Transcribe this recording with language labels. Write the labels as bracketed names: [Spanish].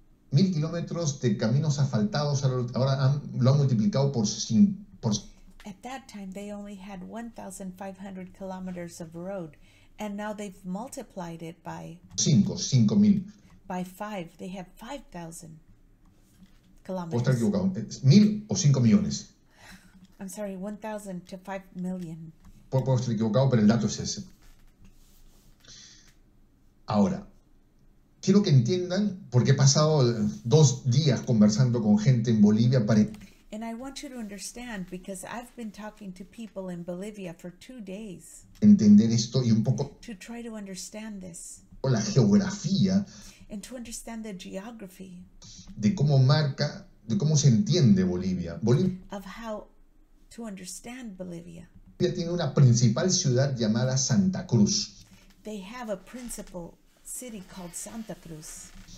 [Spanish] 1,000 kilómetros de caminos asfaltados, ahora lo han multiplicado por 5. [English] At that time, they only had 1,500 kilometers of road, and now they've multiplied it by 5,000. By 5, they have 5,000 kilometers. [Spanish] ¿Puedo estar equivocado? ¿1,000 o 5 millones? [English] I'm sorry, 1,000 to 5 million. [Spanish] Puedo estar equivocado, pero el dato es ese. Ahora, quiero que entiendan, porque he pasado 2 días conversando con gente en Bolivia para. [English] And I want you to understand, because I've been talking to people in Bolivia for 2 days [Spanish] entender esto y un poco [English] to try to understand this. [Spanish] La geografía [English] And to understand the geography [Spanish] de cómo marca, de cómo se entiende Bolivia. Bolivia. [English] Of how to understand Bolivia. [Spanish] Bolivia tiene una principal ciudad llamada Santa Cruz. [English] They have a principal city called Santa Cruz.